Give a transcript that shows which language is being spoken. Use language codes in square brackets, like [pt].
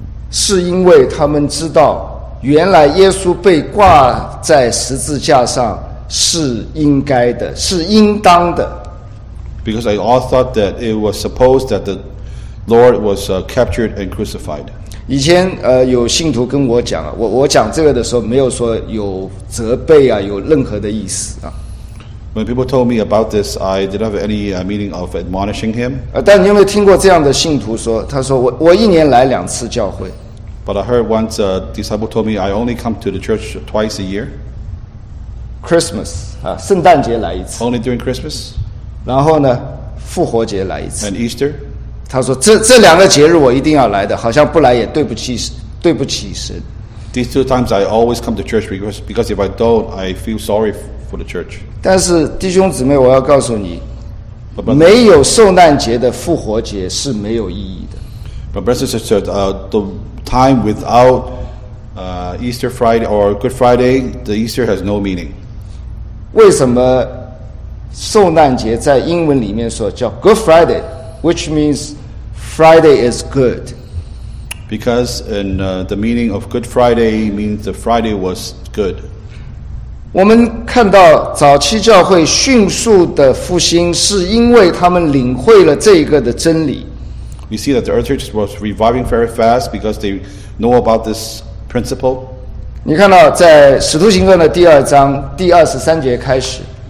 [zh] 是因为他们知道原来耶稣被挂在十字架上是应该的，是应当的。 [en] Because I all thought that it was supposed that the Lord was captured and crucified. [zh] 以前有信徒跟我讲，我讲这个的时候没有说有责备啊，有任何的意思啊。 [en] When people told me about this, I didn't have any meaning of admonishing him. [zh] 但你有没有听过这样的信徒说？他说我一年来两次教会。 [en] But I heard once a disciple told me I only come to the church twice a year. [zh] Christmas 啊，圣诞节来一次。 [en] Only during Christmas. [zh] 然后呢，复活节来一次。 [en] And Easter， [zh] 他说这两个节日我一定要来的，好像不来也对不起神。 [en] These two times I always come to church because if I don't, I feel sorry for the church. [zh] 但是弟兄姊妹，我要告诉你，没有受难节的复活节是没有意义的。 [en] But brothers and sisters, the time without Easter Friday or Good Friday, the Easter has no meaning. [zh] 为什么受难节在英文里面说叫 [en] Good Friday, which means Friday is good? Because in the meaning of Good Friday means the Friday was good. [zh] 我们看到早期教会迅速的复兴，是因为他们领会了这个的真理。 [en] We see that the early church was reviving very fast because they know about this principle. [zh] 你看到在《使徒行传》的第二章第二十三节开始。